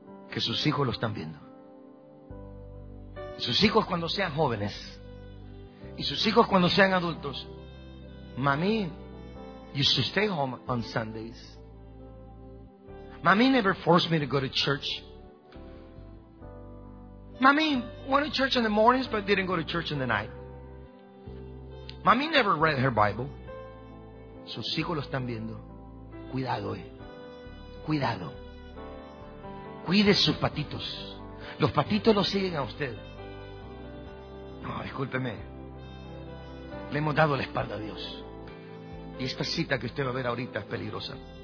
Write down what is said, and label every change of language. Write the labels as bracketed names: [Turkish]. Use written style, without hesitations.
[Spanish] Que sus hijos lo están viendo. Sus hijos, cuando sean jóvenes, y sus hijos cuando sean adultos, mami, [English] you should stay home on Sundays. Mami never forced me to go to church. Mami went to church in the mornings but didn't go to church in the night. Mami never read her Bible. [Spanish] Sus hijos lo están viendo. Cuidado. Cuide sus patitos. Los patitos lo siguen a usted. No, discúlpeme. Le hemos dado la espalda a Dios. Y esta cita que usted va a ver ahorita es peligrosa.